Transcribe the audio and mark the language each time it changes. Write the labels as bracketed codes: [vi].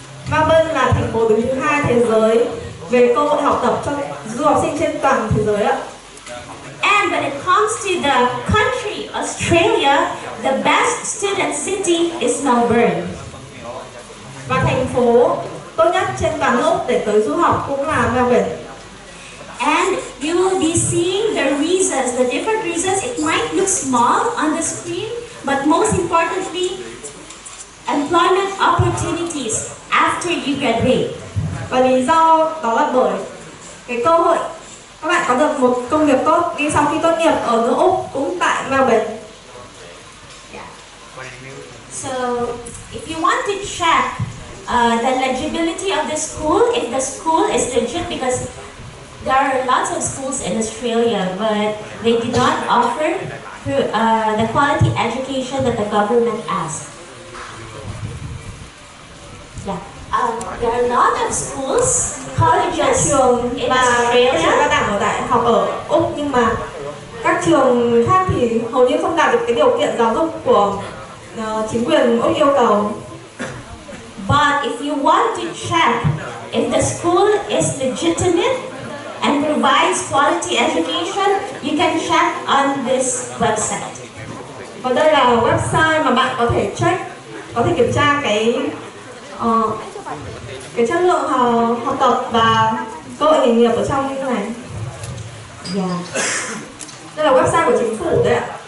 [vi] Melbourne là thành phố đứng thứ hai thế giới về cơ hội học tập cho du học sinh trên toàn thế giới ạ. [en] And when it comes to the country Australia, the best student city is Melbourne. [vi] Và thành phố tốt nhất trên toàn Úc để tới du học cũng là Melbourne. [en] And you will be seeing the reasons, the different reasons. It might look small on the screen, but most importantly, employment opportunities after you graduate. [vi] Và lý do đó là bởi cái cơ hội các bạn có được một công việc tốt ngay sau khi tốt nghiệp ở nước Úc cũng tại Melbourne. [en] So if you want to check the legibility of the school, if the school is legit, because there are lots of schools in Australia, but they do not offer the quality education that the government asks. Yeah. There are a lot of schools, colleges [vi] trường [en] in Australia. [vi] Các đảng ở đại học ở Úc, nhưng mà các trường khác thì hầu như không đạt được cái điều kiện giáo dục của chính quyền Úc yêu cầu. [en] But if you want to check if the school is legitimate and provides quality education, you can check on this website. [vi] Và đây là website mà bạn có thể check, có thể kiểm tra cái chất lượng học tập và cơ hội nghề nghiệp ở trong như thế này. [en] Yeah. [vi] Đây là website của chính phủ đấy ạ.